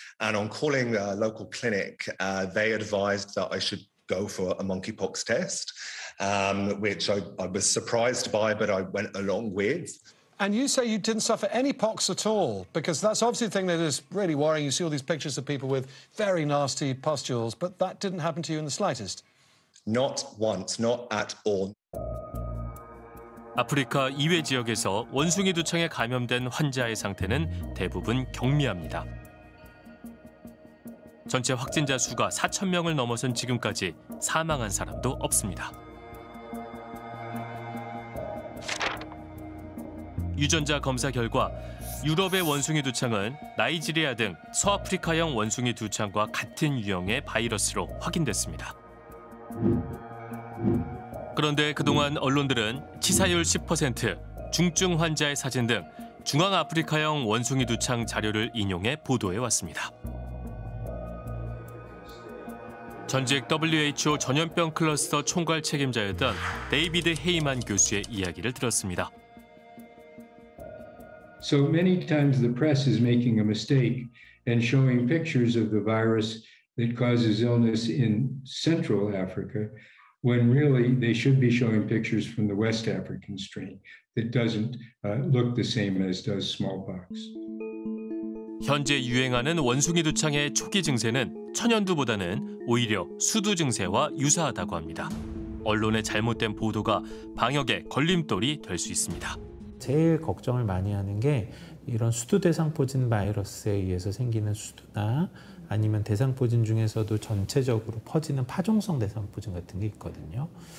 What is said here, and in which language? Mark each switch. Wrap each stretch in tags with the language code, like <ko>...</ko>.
<en>And on calling the local clinic, they advised that I should go for a monkeypox test, which I was surprised by, but I went along with. And you say you didn't suffer any pox at all, because that's obviously the thing that is really worrying. You see all these pictures of people with very nasty pustules, but that didn't happen to you in the slightest. Not once, not at all.</en> <ko>아프리카 이외 지역에서 원숭이 두창에 감염된 환자의 상태는 대부분 경미합니다. 전체 확진자 수가 4천 명을 넘어선 지금까지 사망한 사람도 없습니다. 유전자 검사 결과 유럽의 원숭이 두창은 나이지리아 등 서아프리카형 원숭이 두창과 같은 유형의 바이러스로 확인됐습니다. 그런데 그동안 언론들은 치사율 10%, 중증 환자의 사진 등 중앙아프리카형 원숭이 두창 자료를 인용해 보도해 왔습니다. 전직 WHO 전염병 클러스터 총괄 책임자였던 데이비드 헤이만 교수의 이야기를 들었습니다.</ko> <en>So many times the press is making a mistake and showing pictures of the virus that causes illness in Central Africa. When really they should be showing pictures from the West African strain that doesn't look the same as does smallpox.</en> <ko>현재 유행하는 원숭이 두창의 초기 증세는 천연두보다는 오히려 수두 증세와 유사하다고 합니다. 언론의 잘못된 보도가 방역에 걸림돌이 될 수 있습니다. 제일 걱정을 많이 하는 게 이런 수두 대상포진 바이러스에 의해서 생기는 수두나 아니면 대상포진 중에서도 전체적으로 퍼지는 파종성 대상포진 같은 게 있거든요.</ko>